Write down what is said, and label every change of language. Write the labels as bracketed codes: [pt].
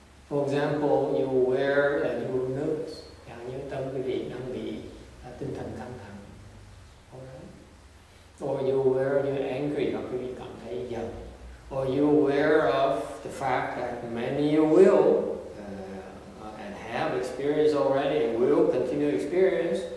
[en] For example, you aware that you are nervous. [vi] Chẳng như tâm quý vị đang bị tinh thần căng thẳng. Alright. [en] Or you aware you are angry, [vi] hoặc quý vị cảm thấy giận. [en] Or you aware of the fact that many you will and have experienced already and will continue experience.